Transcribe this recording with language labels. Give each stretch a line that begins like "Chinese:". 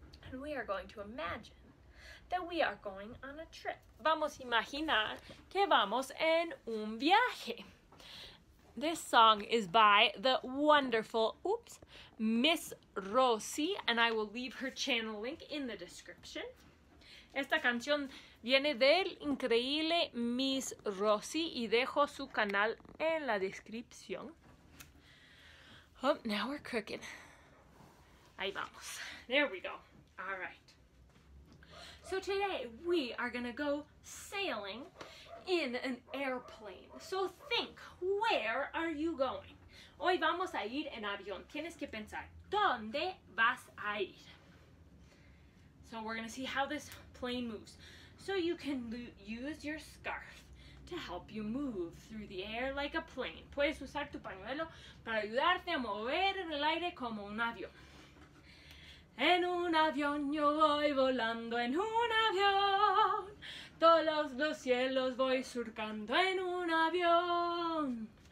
English: And we are going to imagine that we are going on a trip.
Spanish: Vamos a imaginar que vamos en un viaje.
English: This song is by the wonderful, oops, Miss Rosie, and I will leave her channel link in the description.
Spanish: Esta canción viene del increíble Miss Rosie, y dejo su canal en la descripción.
English: Oh, now we're cooking.
Spanish: Ahí vamos.
English: There we go. Alright. So today we are gonna go sailing in an airplane. So think, where are you going?
Spanish: Hoy vamos a ir en avión. Tienes que pensar, ¿dónde vas a ir?
English: So we're gonna see how this plane moves. So you can use your scarf to help you move through the air like a plane.
Spanish: Puedes usar tu pañuelo para ayudarte a mover en el aire como un avión. En un avión yo voy volando, en un avión. Todos los cielos voy surcando en un avión.